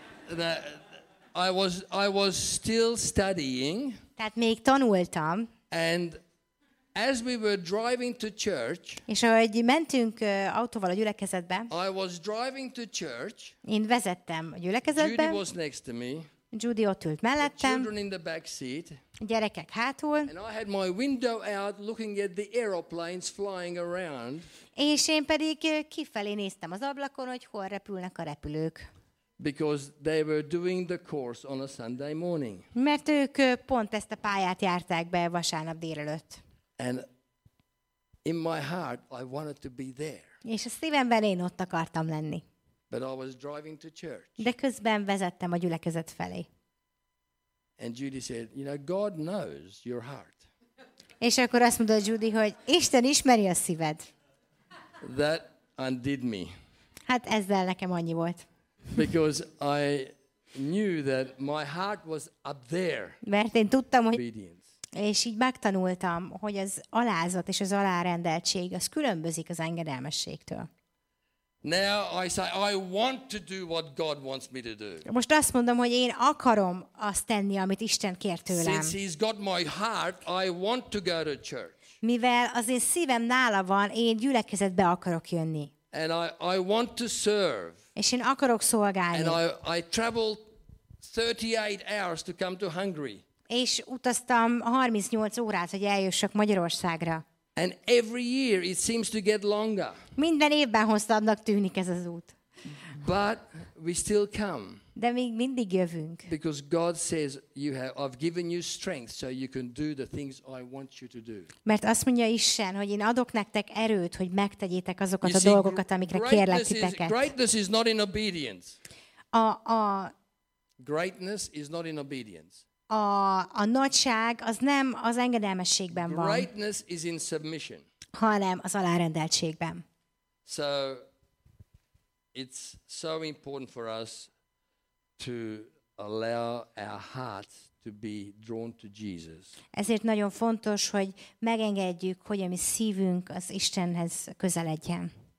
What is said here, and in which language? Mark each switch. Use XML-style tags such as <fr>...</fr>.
<en>Okay. I was still studying.</en> <hu>Tehát még tanultam.</hu> <en>And as we were driving to church.</en> <hu>És ahogy mentünk autóval a gyülekezetbe.</hu> <en>I was driving to church.</en> <hu>Én vezettem a gyülekezetbe.</hu> <en>Judy was next to me.</en> <hu>Judy ott ült mellettem.</hu> <en>The children in the back seat.</en> <hu>Gyerekek hátul.</hu> <en>And I had my window out looking at the aeroplanes flying around.</en> <hu>És én pedig kifelé néztem az ablakon, hogy hol repülnek a repülők.</hu> <en>Because they were doing the course on a Sunday morning.</en> <hu>Mert ők pont ezt a pályát járták be vasárnap délelőtt.</hu> <en>And in my heart I wanted to be there.</en> <hu>És a szívemben én ott akartam lenni.</hu> <en>But I was driving to church.</en> <hu>De közben vezettem a gyülekezet felé.</hu> <en>And Judy said, you know, God knows your heart.</en> <hu>És akkor azt mondta Judy, hogy Isten ismeri a szíved.</hu> <en>That undid me.</en> <hu>Hát ezzel nekem annyi volt.</hu> <en>Because I knew that my heart was up there.</en> <hu>Mert én tudtam, hogy és így megtanultam, hogy az alázat és az alárendeltség az különbözik az engedelmességtől.</hu> <en>Now I say I want to do what God wants me to do.</en> <hu>Most azt mondom, hogy én akarom azt tenni, amit Isten kér tőlem.</hu> <en>Since He's got my heart, I want to go to church.</en> <hu>Mivel az én szívem nála van, én gyülekezetbe akarok jönni.</hu> <en>And I want to serve.</en> <hu>És én akarok szolgálni.</hu> <en>And I traveled 38 hours to come to Hungary.</en> <hu>És utaztam 38 órát, hogy eljussak Magyarországra.</hu> <en>And every year it seems to get longer.</en> <hu>Minden évben hosszabbnak tűnik ez az út.</hu> <en>But we still come.</en> <hu>De még mindig jövünk.</hu> <en>Because God says I've given you strength so you can do the things I want you to do.</en> <hu>Mert azt mondja Isten, hogy én adok nektek erőt, hogy megtegyétek azokat a dolgokat, amikre kérlek titeket.</hu> <en>Greatness is not in obedience.</en> <hu>A</hu> <en>greatness is not in obedience.</en> <hu>A nagyság az nem az engedelmességben van.</hu> <en>Greatness is in submission.</en> <hu>Hanem az alárendeltségben.</hu> <en>So it's so important for us to allow our hearts to be drawn to Jesus.</en> <hu>Ezért nagyon fontos, hogy megengedjük, hogy a mi szívünk az Istenhez közeledjen.</hu>